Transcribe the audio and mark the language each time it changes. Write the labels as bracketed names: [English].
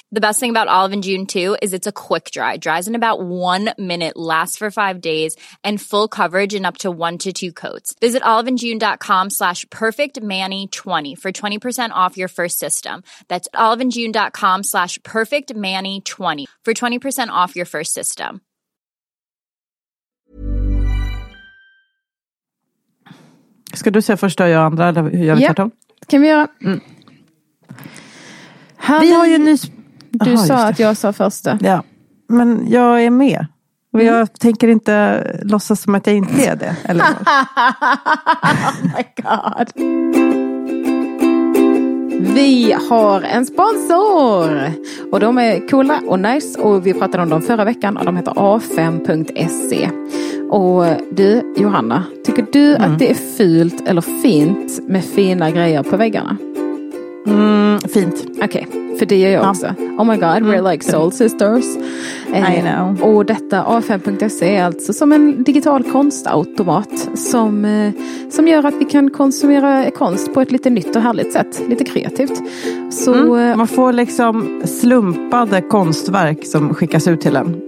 [English] The best thing about Olive & June, too, is it's a quick dry. It dries in about 1 minute, lasts for 5 days, and full coverage in up to 1 to 2 coats. Visit oliveandjune.com/perfectmanny20 for 20% off your first system. That's oliveandjune.com/perfectmanny20 for 20% off your first system. [Swedish] Ska du säga första och jag andra? Eller hur gör vi tvärtom? Kan vi göra? Vi har ju nyss... Du sa att jag sa första. Ja, men jag är med. Och jag tänker inte låtsas som att jag inte är det. Eller? [English] Oh my god. [Swedish] Vi har en sponsor och de är coola och nice och vi pratade om dem förra veckan och de heter A5.se. Och du Johanna, tycker du att det är fult eller fint med fina grejer på väggarna? Fint. Okej, för det gör jag också. [English] Oh my god, we're like soul sisters. I know. [Swedish] Och detta A5.se är alltså som en digital konstautomat som gör att vi kan konsumera konst på ett lite nytt och härligt sätt. Lite kreativt. Så, man får liksom slumpade konstverk som skickas ut till en.